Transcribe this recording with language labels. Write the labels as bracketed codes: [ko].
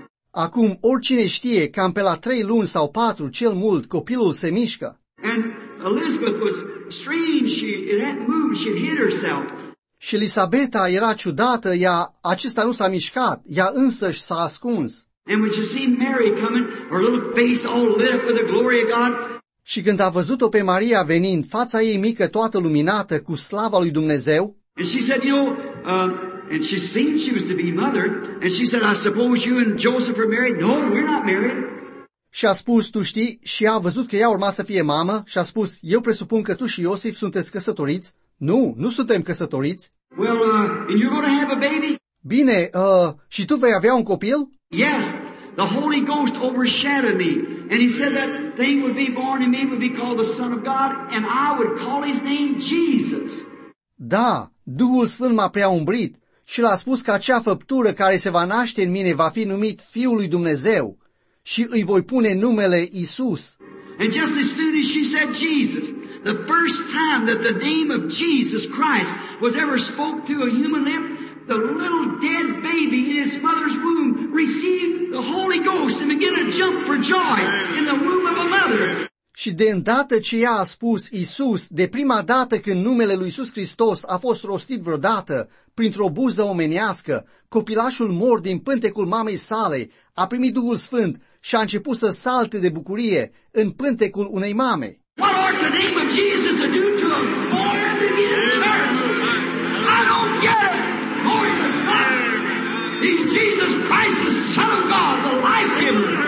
[ro] Acum, oricine știe, cam pe la 3 luni sau 4, cel mult, copilul se mișcă. [en] And Elizabeth was strange. She hadn't moved. She hid herself. [ro] Și Elisabeta era ciudată, ea, acesta nu s-a mișcat, ea însăși s-a ascuns. [en] And when she seen Mary coming, her little face all lit up with the glory of God. [ro] Și când a văzut-o pe Maria venind, fața ei mică toată luminată cu slava lui Dumnezeu, [en] and she said, you know, and she seen she was to be mother, and she said, I suppose you and Joseph are married? No, we're not married. [ro] Și a spus, tu știi, și a văzut că ea urma să fie mamă, și a spus, eu presupun că tu și Iosif sunteți căsătoriți. Nu, nu suntem căsătoriți. [en] Well, and you're going to have a baby? [ro] Bine, și tu vei avea un copil? [en] Yes, the Holy Ghost overshadowed me, and he said that thing would be born in me, would be called the Son of God, and I would call his name Jesus. [ro] Da, Duhul Sfânt m-a prea umbrit și l-a spus că acea făptură care se va naște în mine va fi numit Fiul lui Dumnezeu și îi voi pune numele Iisus. [en] And just as soon as she said Jesus, the first time that the name of Jesus Christ was ever spoke to a human lip, the little dead baby in its mother's womb received the Holy Ghost and began to jump for joy in the womb of a mother. [ro] Și de îndată ce ea a spus Iisus, de prima dată când numele lui Iisus Hristos a fost rostit vreodată printr-o buză omenească, copilașul mort din pântecul mamei sale a primit Duhul Sfânt și a început să salte de bucurie în pântecul unei mame. [en] What ought the name of Jesus to do to a boy in the church? I don't get it. Glory to God. He's Jesus Christ, the Son of God, the life giver.